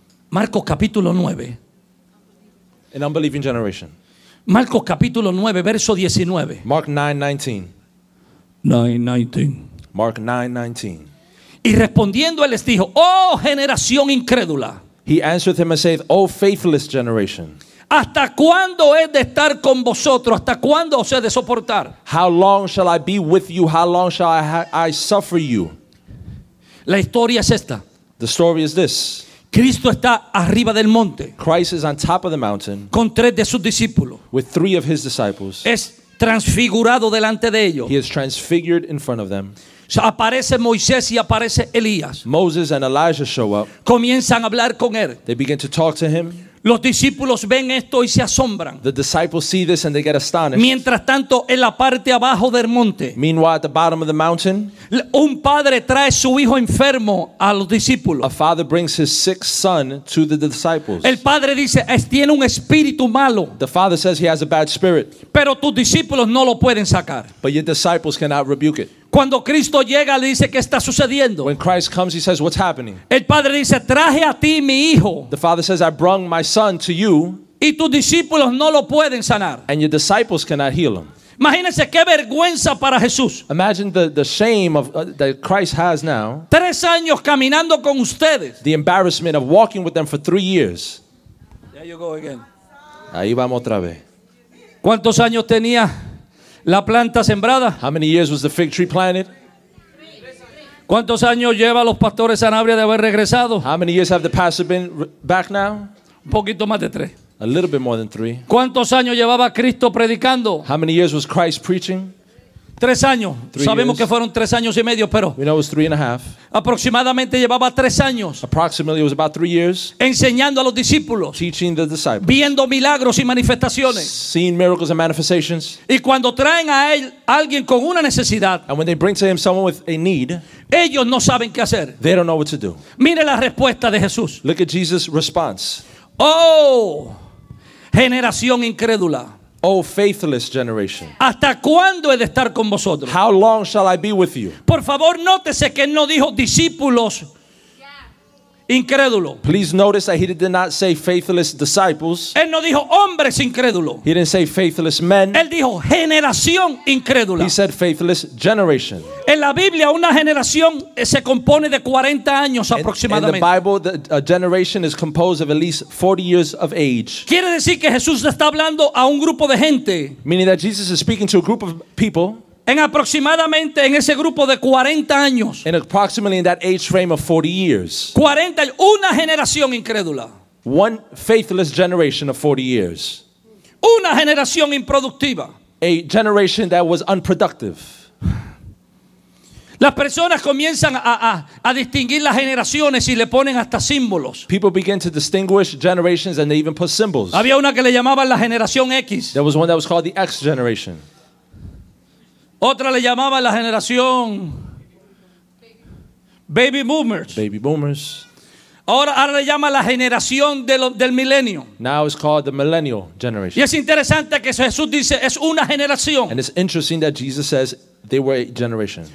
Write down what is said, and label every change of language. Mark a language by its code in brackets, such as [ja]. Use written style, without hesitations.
[es] Marcos capítulo 9. [en] An unbelieving generation. [es] Marcos capítulo 9, verso 19. [en] Mark 9:19. Mark 9:19. [es] Y respondiendo él les dijo, oh generación incrédula. [en] He answered him and said, oh faithless generation. [es] ¿Hasta cuándo he de estar con vosotros? ¿Hasta cuándo os he de soportar? [en] How long shall I be with you? How long shall I suffer you? [es] La historia es esta. [en] The story is this. [es] Cristo está arriba del monte. [en] Christ is on top of the mountain. [es] Con tres de sus discípulos. [en] With three of his disciples. [es] Es transfigurado delante de ellos. [en] He is transfigured in front of them. [es] Aparece Moisés y aparece Elías. [en] Moses and Elijah show up. [es] Comienzan a hablar con él. [en] They begin to talk to him. [es] Los discípulos ven esto y se asombran. [en] The disciples see this and they get astonished. [es] Mientras tanto, en la parte abajo del monte. [en] Meanwhile, at the bottom of the mountain. [es] Un padre trae su hijo enfermo a los discípulos. [en] A father brings his sick son to the disciples. [es] El padre dice, tiene un espíritu malo. [en] The father says he has a bad spirit. [es] Pero tus discípulos no lo pueden sacar. [en] But your disciples cannot rebuke it. [es] Cuando Cristo llega le dice qué está sucediendo. [en] When Christ comes, he says, what's happening? [es] El padre dice traje a ti mi hijo. [en] The father says I brought my son to you. [es] Y tus discípulos no lo pueden sanar. [en] And your disciples cannot heal him. [es] Imagínense qué vergüenza para Jesús. [en] Imagine the shame of that Christ has now. [es] 3 años caminando con ustedes. [en] The embarrassment of walking with them for 3 years. There you go again. [es] Ahí vamos otra vez. ¿Cuántos años tenía? La planta sembrada. [en] How many years was the fig tree planted? [es] ¿Cuántos años lleva los pastores Sanabria de haber regresado? [en] How many years have the pastor been back now? [es] Un poquito más de 3. [en] A little bit more than 3. [es] ¿Cuántos años llevaba Cristo predicando? [en] How many years was Christ preaching? [es] 3 años. Sabemos que fueron 3 años y medio, pero [en] we know it was 3 and a half. [es] Aproximadamente llevaba 3 años. [en] Approximately it was about 3 years. [es] Enseñando a los discípulos. [en] Teaching the disciples. [es] Viendo milagros y manifestaciones. [en] Seeing miracles and manifestations. [es] Y cuando traen a él alguien con una necesidad. [en] And when they bring to him someone with a need. [es] Ellos no saben qué hacer. [en] They don't know what to do. [es] Mire la respuesta de Jesús. [en] Look at Jesus' response. [es] Oh, generación incrédula. [en] Oh, faithless generation. [es] ¿Hasta cuándo he de estar con vosotros? [en] How long shall I be with you? [es] Por favor, nótese que él no dijo discípulos incrédulos. [en] Please notice that he did not say faithless disciples. [es] Él no dijo hombres incrédulos. [en] He didn't say faithless men. [es] Él dijo generación incrédula. [en] He said faithless generation. [es] En la Biblia, una generación se compone de 40 años aproximadamente. [en] In the Bible, a generation is composed of at least 40 years of age. [es] Quiere decir que Jesús está hablando a un grupo de gente. [en] Meaning that Jesus is speaking to a group of people. [es] En aproximadamente en ese grupo de 40 años. [en] In approximately in that age frame of 40 years. [es] 40, una generación incrédula. [en] One faithless generation of 40 years. [es] Una generación improductiva. [en] A generation that was unproductive. [es] Las personas comienzan a distinguir las generaciones y le ponen hasta símbolos. [en] People begin to distinguish generations and they even put symbols. [es] Había una que le llamaban la generación X. [en] There was one that was called the X generation. [es] Otra le llamaba la generación Baby boomers. [en] Baby boomers. [es] Ahora le llama la generación del milenio. [en] Now it's called the millennial generation. [es] Y es interesante que Jesús dice es una generación. [en] And it's interesting that Jesus says they were a generation.